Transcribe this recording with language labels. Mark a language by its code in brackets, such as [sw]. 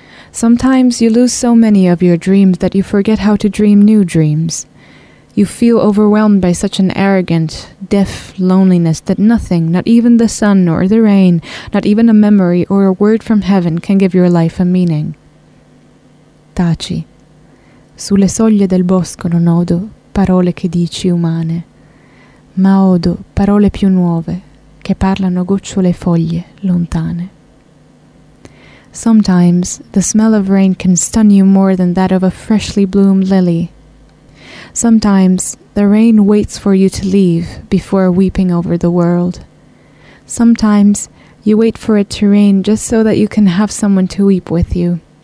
[en] Sometimes you lose so many of your dreams that you forget how to dream new dreams. You feel overwhelmed by such an arrogant, deaf loneliness that nothing, not even the sun or the rain, not even a memory or a word from heaven can give your life a meaning. [it] Taci. Sulle soglie del bosco non odo parole che dici umane, ma odo parole più nuove che parlano gocciole e foglie lontane. [en] Sometimes the smell of rain can stun you more than that of a freshly bloomed lily. Sometimes the rain waits for you to leave before weeping over the world. Sometimes you wait for it to rain just so that you can have someone to weep with you.